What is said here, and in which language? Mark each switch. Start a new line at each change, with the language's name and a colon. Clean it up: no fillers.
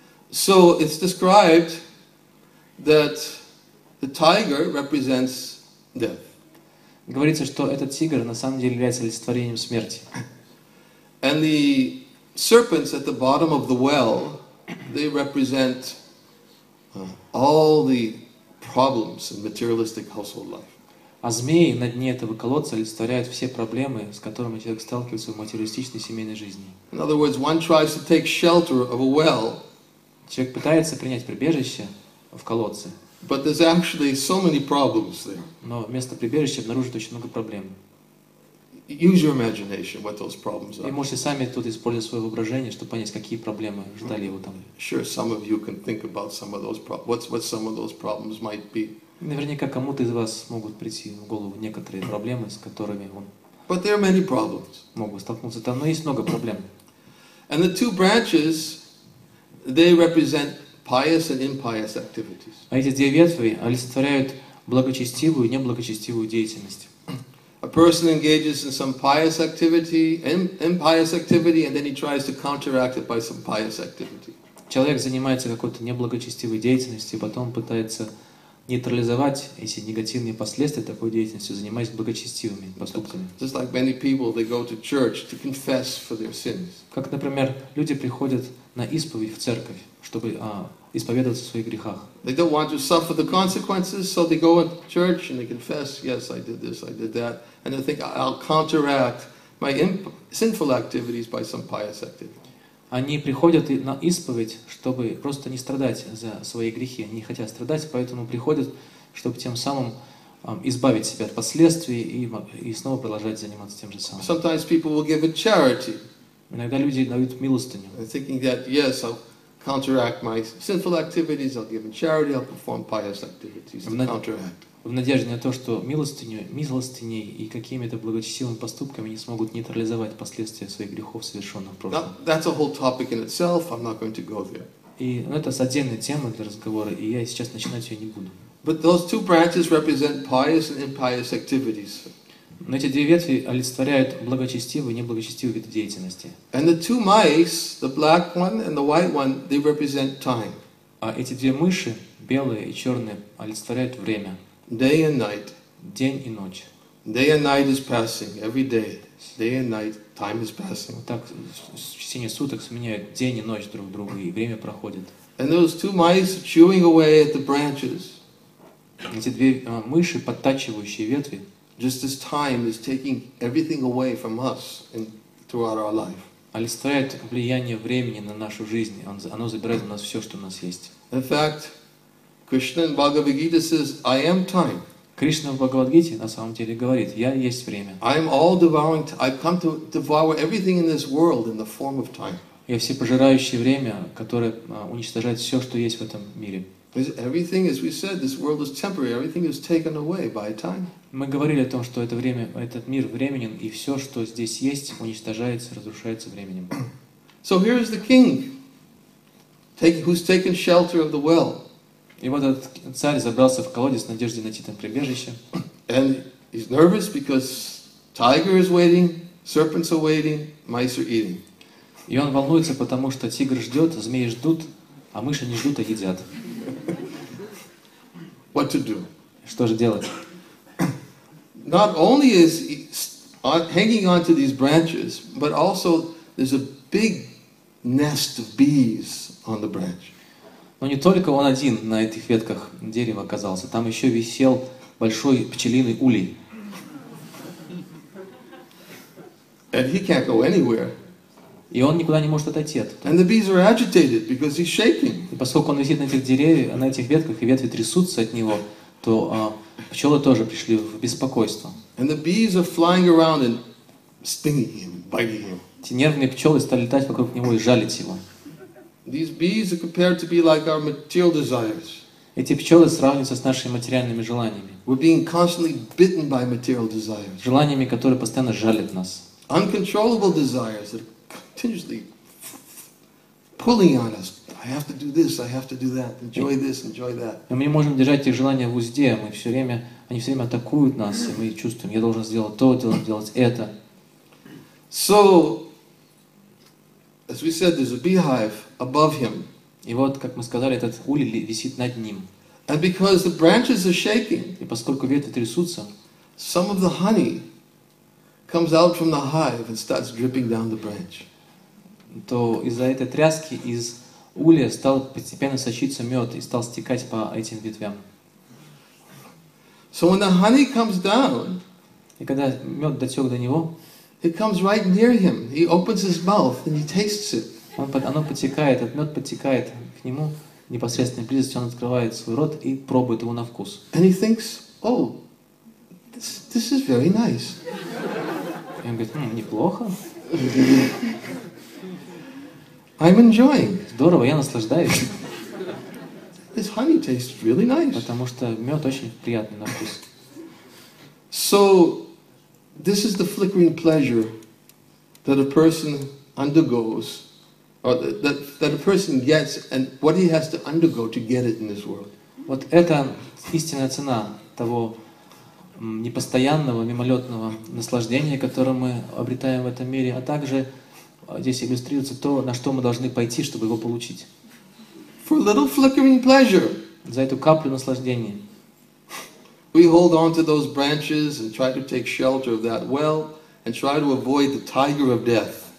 English: So it's described that the tiger represents death.
Russian: Говорится, что этот тигр на самом деле является олицетворением смерти.
English: And the serpents at the bottom of the well, they represent all the problems in materialistic household life.
Russian: А змеи на дне этого колодца олицетворяют все проблемы, с которыми человек сталкивается в материалистичной семейной жизни.
English: In other words, one tries to take shelter of a well.
Russian: Человек пытается принять прибежище в колодце.
English: But there's actually so many problems there.
Russian: Но вместо прибежища обнаружит очень много проблем.
English: Use your imagination what those problems are.
Russian: И можете сами тут использовать свое воображение, чтобы понять, какие проблемы ждали его там.
English: Sure, some of you can think about some of those problems. What some of those problems might be.
Russian: Наверняка кому-то из вас могут прийти в голову некоторые проблемы, с которыми он.
English: But there are many problems.
Russian: Могут столкнуться там, но есть много проблем.
English: And the two branches, they represent pious and impious activities.
Russian: А эти две ветви олицетворяют благочестивую и неблагочестивую деятельность.
English: A person engages in some pious activity, impious activity, and then he tries to counteract it by some pious activity.
Russian: Человек занимается какой-то неблагочестивой деятельностью, потом пытается нейтрализовать эти негативные последствия такой деятельности, занимаясь благочестивыми поступками.
English: Just like many people, they go to church to confess for their sins.
Russian: Как, например, люди приходят на исповедь в церковь, чтобы исповедоваться в своих грехах.
English: They don't want to suffer the consequences, so they go into church and they confess, yes, I did this, I did that, and they think, I'll counteract my sinful activities by some pious activity.
Russian: Они приходят на исповедь, чтобы просто не страдать за свои грехи, не хотят страдать, поэтому приходят, чтобы тем самым избавить себя от последствий и снова продолжать заниматься тем же самым.
English: Sometimes people will give a charity.
Russian: Иногда люди дают милостыню.
English: Thinking that, yes, I'll counteract my sinful activities, I'll give in charity, I'll perform pious activities to counteract.
Russian: В надежде на то, что милостыней и какими-то благочестивыми поступками не смогут нейтрализовать последствия своих грехов, совершенных в прошлом.
English: That's a whole topic in itself. I'm not going to go there.
Russian: И это отдельная тема для разговора, и я сейчас начинать ее не буду.
English: But those two branches represent pious and impious activities.
Russian: Но эти две ветви олицетворяют благочестивые и неблагочестивые виды деятельности.
English: And the two mice, the black one and the white one, they represent time.
Russian: А эти две мыши, белые и черные, олицетворяют время.
English: Day and night.
Russian: День и ночь.
English: Day and night is passing every day. Day and night, time is passing.
Russian: Так в течение суток сменяют день и ночь друг друга, и время проходит.
English: And those two mice chewing away at the branches.
Russian: Эти две мыши, подтачивающие ветви.
English: Just as time is taking everything away from us and throughout our life.
Russian: Олицетворяет влияние времени на нашу жизнь. Оно забирает у нас все, что у нас есть.
English: In fact, Krishna in Bhagavad Gita says, "I am time."
Russian: Кришна в Бхагавадгите на самом деле говорит: "Я есть время."
English: I am all devouring. I come to devour everything in this world in the form of time.
Russian: Я все пожирающее время, которое уничтожает все, что есть в этом мире.
English: Everything, as we said, this world is temporary. Everything is taken away by time.
Russian: Мы говорили о том, что это время, этот мир временен, и все, что здесь есть, уничтожается, разрушается временем.
English: So here is the king, who's taken shelter of the well.
Russian: И вот этот царь забрался в колодец в надежде найти там прибежище.
English: And he's nervous because tiger is waiting, serpents are waiting, mice are eating.
Russian: И он волнуется, потому что тигр ждет, змеи ждут, а мыши не ждут, а едят.
English: What to do?
Russian: Что же делать?
English: Not only is he hanging on to these branches, but also there's a big nest of bees on the branch.
Russian: Но не только он один на этих ветках дерева оказался. Там еще висел большой пчелиный улей.
English: And he can't go anywhere.
Russian: И он никуда не может отойти оттуда.
English: And the bees are agitated because he's shaking.
Russian: И поскольку он висит на этих деревьях, на этих ветках, и ветви трясутся от него, то пчелы тоже пришли в беспокойство.
English: And the bees are flying around and stinging him, biting him.
Russian: Эти нервные пчелы стали летать вокруг него и жалить его.
English: These bees are compared to be like our material desires.
Russian: Эти пчелы сравниваются с нашими материальными желаниями.
English: We're being constantly bitten by material desires.
Russian: Желаниями, которые постоянно жалят нас.
English: Uncontrollable desires that are continuously pulling on us. I have to do this. I have to do that. Enjoy this. Enjoy that.
Russian: И мы не можем держать эти желания в узде. Мы все время, они все время атакуют нас, и мы чувствуем: я должен сделать то, должен сделать это.
English: So, as we said, there's a beehive. Above him.
Russian: И вот, как мы сказали, этот улей висит над ним.
English: And because the branches are shaking,
Russian: и поскольку ветви трясутся,
English: some of the honey comes out from the hive and starts dripping down the branch.
Russian: То из-за этой тряски из улья стал постепенно сочиться мед и стал стекать по этим ветвям.
English: So when the honey comes down,
Russian: и когда мед дотек до него,
English: it comes right near him. He opens his mouth and he tastes it.
Russian: Оно подтекает, этот мед подтекает к нему в непосредственной близости, он открывает свой рот и пробует его на вкус.
English: And he thinks, oh, this is very nice.
Russian: И он говорит, неплохо.
English: I'm enjoying.
Russian: Здорово, я наслаждаюсь.
English: This honey tastes really nice.
Russian: Потому что мед очень приятный на вкус.
English: So, this is the flickering pleasure that a person undergoes. Or that a person gets and what he has to undergo to get it in this world.
Russian: Вот это истинная цена того непостоянного, мимолетного наслаждения, которое мы обретаем в этом мире, а также здесь иллюстрируется то, на что мы должны пойти, чтобы его получить.
English: For a little flickering pleasure.
Russian: За эту каплю наслаждения.
English: We hold on to those branches and try to take shelter of that well and try to avoid the tiger of death.